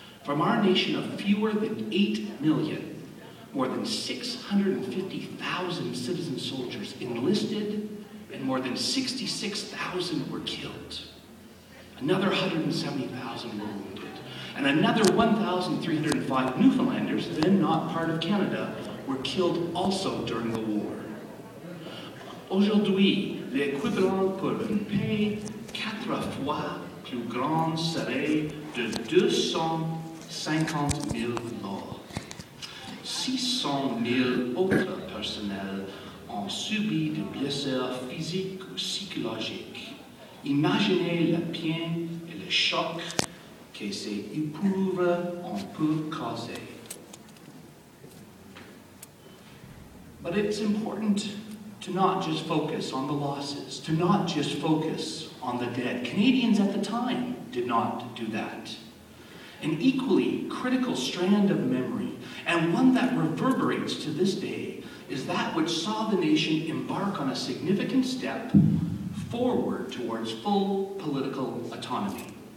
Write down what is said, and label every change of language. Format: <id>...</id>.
<en>From our nation of fewer than 8 million, more than 650,000 citizen soldiers enlisted, and more than 66,000 were killed. Another 170,000 were wounded, and another 1,305 Newfoundlanders, then not part of Canada, were killed also during the war.</en> <fr>Aujourd'hui, l'équivalent pour une paix quatre fois plus grande serait de 250 000 morts. 600 000 autres personnels ont subi des blessures physiques ou psychologiques. Imaginez la peine et le choc que ces épreuves ont pu causer.</fr> <en>But it's important to not just focus on the losses, to not just focus on the dead. Canadians at the time did not do that. An equally critical strand of memory, and one that reverberates to this day, is that which saw the nation embark on a significant step forward towards full political autonomy.</en>